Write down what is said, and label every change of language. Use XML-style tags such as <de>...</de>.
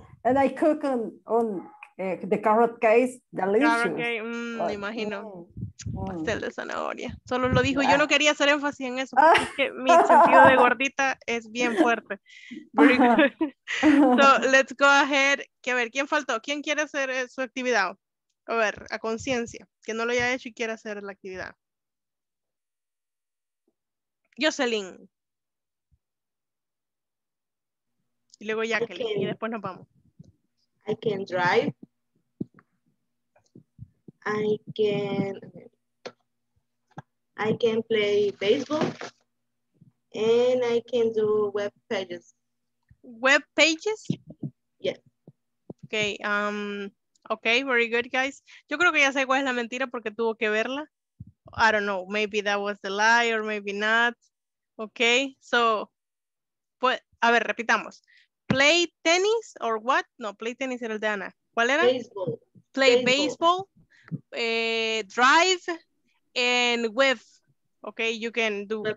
<en>And I cook on the carrot case, delicious.</en> <es>Carrot case, me imagino. Pastel de zanahoria. Solo lo dijo. Yo no quería hacer énfasis en eso porque mi sentido de gordita es bien fuerte.</es> <en>Very good. So let's go ahead.</en> <es>Que a ver, ¿quién faltó? ¿Quién quiere hacer su actividad? A ver, a conciencia. Que no lo haya hecho y quiera hacer la actividad. Jocelyn. Y luego Jacqueline. Okay. Y después nos vamos.</es> <en>I can drive. I can play baseball, and I can do web pages. Web pages? Yeah. Okay, okay, very good, guys.</en> <es>Yo creo que ya sé cuál es la mentira porque tuvo que verla.</es> <en>I don't know, maybe that was the lie or maybe not.</en> <es>Okay, so, pues, a ver, repitamos.</es> <en>Play tennis or what? No, play tennis</en> <es>era el de Ana. ¿Cuál era?</es> <en>Baseball. Play baseball. Baseball. Drive and web, okay, you can do okay.</en>